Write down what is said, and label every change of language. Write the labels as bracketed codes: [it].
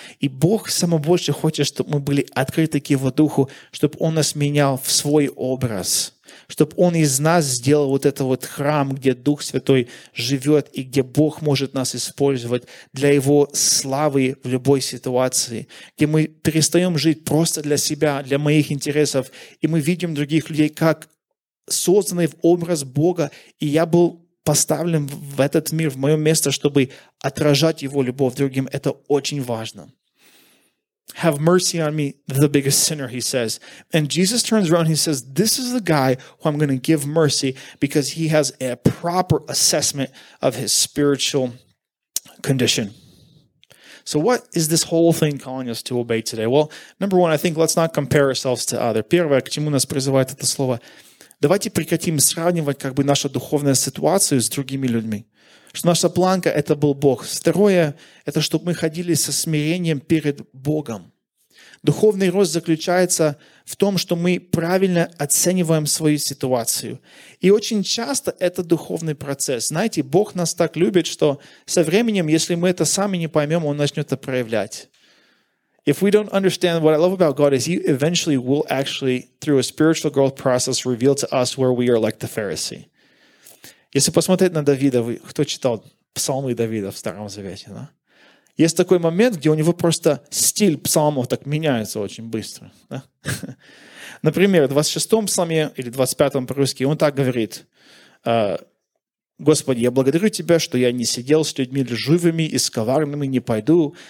[ru] И Бог самое больше хочет, чтобы мы были открыты к Его Духу, чтобы Он нас менял в свой образ, чтобы Он из нас сделал вот этот вот храм, где Дух Святой живет и где Бог может нас использовать для Его славы в любой ситуации, где мы перестаем жить просто для себя, для моих интересов, и мы видим других людей как созданный в образ Бога, и я был поставлен в этот мир, в мое место, чтобы отражать Его любовь другим. Это очень важно. [en] Have mercy on me, the biggest sinner, he says. And Jesus turns around, he says, this is the guy who I'm going to give mercy because he has a proper assessment of his spiritual condition. So what is this whole thing calling us to obey today? Well, number one, I think let's not compare ourselves to others. [ru] Первое, к чему нас призывает это слово. Давайте прекратим сравнивать как бы нашу духовную ситуацию с другими людьми. Что наша планка – это был Бог. Второе – это чтобы мы ходили со смирением перед Богом. Духовный рост заключается в том, что мы правильно оцениваем свою ситуацию. И очень часто это духовный процесс. Знаете, Бог нас так любит, что со временем, если мы это сами не поймем, Он начнет это проявлять. [en] If we don't understand, what I love about God is He eventually will actually, through a spiritual growth process, reveal to us where we are like the Pharisee. [ru] Если посмотреть на Давида, кто читал псалмы Давида в Старом Завете, да? Есть такой момент, где у него просто стиль псалмов так меняется очень быстро. Да? Например, в 26-м псалме или 25-м по-русски он так говорит: «Господи, я благодарю Тебя, что я не сидел с людьми лживыми и с коварными не пойду.